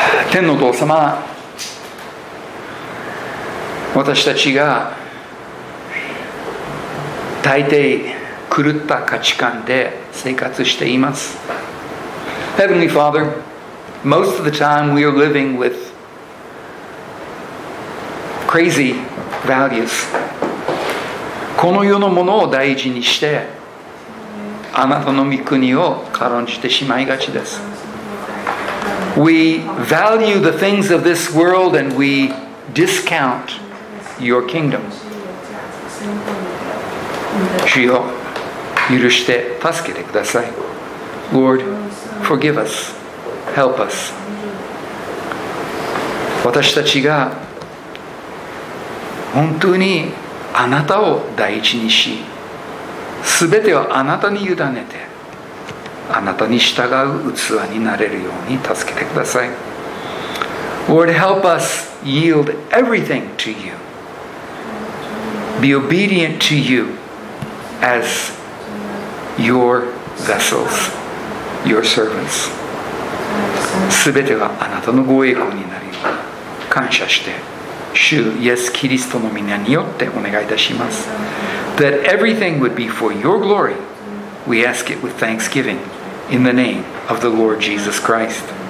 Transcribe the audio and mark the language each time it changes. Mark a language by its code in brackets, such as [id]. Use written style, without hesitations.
[ja] 天のお父様、私たちが大抵狂った価値観で生活しています。 [en] Heavenly Father, most of the time we are living with crazy values. [ja] この世のものを大事にして、あなたの御国を軽んじてしまいがちです。 [en] We value the things of this world and we discount your kingdom. [ja] 主よ、許して助けてください。 [en] Lord, forgive us. Help us. [ja] 私たちが本当にあなたを第一にし、すべてをあなたに委ねて、あなたに従う器になれるように助けてください。 [en] Lord, help us yield everything to you. Be obedient to you as your vessels, your servants. [ja] すべてがあなたのご栄光になるように感謝して、主イエス・キリストの御名によってお願いいたします。 [en] That everything would be for your glory, we ask it with thanksgiving in the name of the Lord Jesus Christ.